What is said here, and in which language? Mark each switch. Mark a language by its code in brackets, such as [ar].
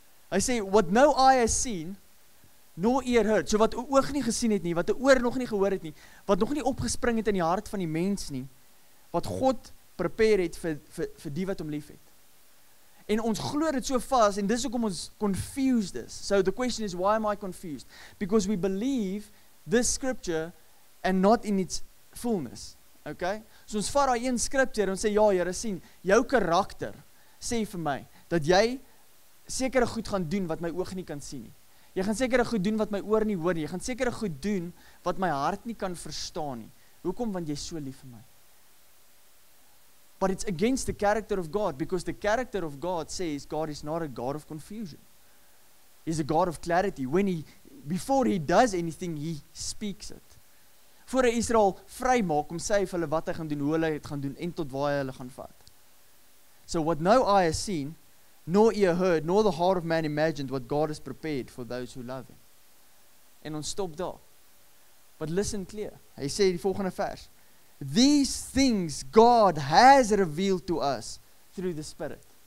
[af] Hy sê, [en] what no eye has seen, nor ear heard, [af] so wat oog nie gesien het nie, wat oor nog nie gehoor het nie, wat nog nie opgespring het in die hart van die mens nie, wat God prepare het vir die wat om lief het. En ons glo dit so vast, en dis ook ons confused is. [en] So the question is, why am I confused? Because we believe this scripture, and not in its fullness. [af] Okay? So ons vat daar een scripture, en ons sê, ja, jyre sien, jou karakter, sê vir my, dat jy sekere goed gaan doen, wat my oog nie kan sien nie. Jy gaan sekere goed doen, wat my oor nie hoor nie. Jy gaan sekere goed doen, wat my hart nie kan verstaan nie. Hoekom? Want jy is so lief vir my. [en] But it's against the character of God, because the character of God says God is not a God of confusion. He's a God of clarity. When before he does anything, he speaks it. [af] Voor hy Israel vry maak, om sê vir hulle wat hy gaan doen, hoe hulle het gaan doen, en tot waar hulle gaan vat. [en] So what no eye has seen, nor ear heard, nor the heart of man imagined, what God has prepared for those who love him. [af] En ons stop daar. [en] But listen clear. [af] Hy sê die volgende vers. [en] These things God has revealed to us through the Spirit.